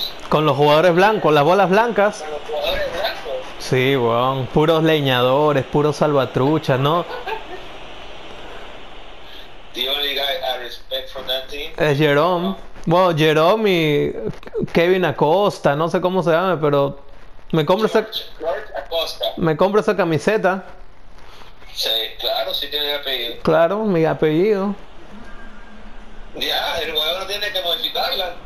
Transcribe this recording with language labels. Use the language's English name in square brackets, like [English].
[Spanish] Con los jugadores blancos, las bolas blancas. los jugadores blancos. Sí, weón. Puros leñadores, puros salvatruchas, ¿no? [English] The only guy I respect from that team. [Spanish] Es Jerome. Bueno, Jerome y Kevin Acosta, no sé cómo se llame, pero George Acosta. me compro esa camiseta. Sí, claro, sí tiene el apellido. Claro, mi apellido. Ya, el jugador tiene que modificarla.